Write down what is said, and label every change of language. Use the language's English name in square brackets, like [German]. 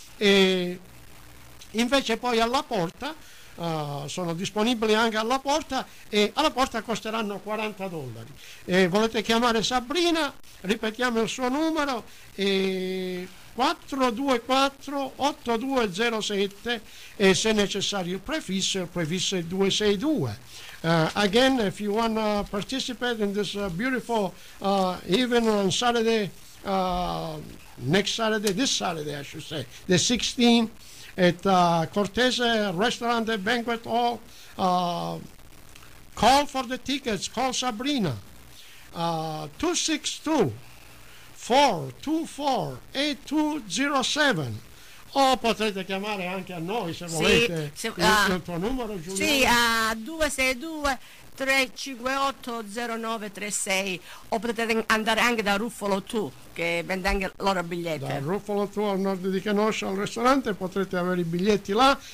[Italian] E invece poi alla porta, sono disponibili anche alla porta, e alla porta costeranno $40. E volete chiamare Sabrina, ripetiamo il suo numero, e 424-8207, e se necessario il prefisso è 262. [English] Again, if you want to participate in this beautiful evening on Saturday, this Saturday, the 16th, at Cortese Restaurant and Banquet Hall, call for the tickets, call Sabrina, 262-424-8207. [Italian] O potete chiamare anche a noi, se volete. Il tuo numero, Giuliano? Sì, a 262-358-0936. O potete andare anche da Ruffolo 2, che vende anche loro biglietti. Da Ruffolo 2 al nord di Kenosha, al ristorante, potrete avere i biglietti là.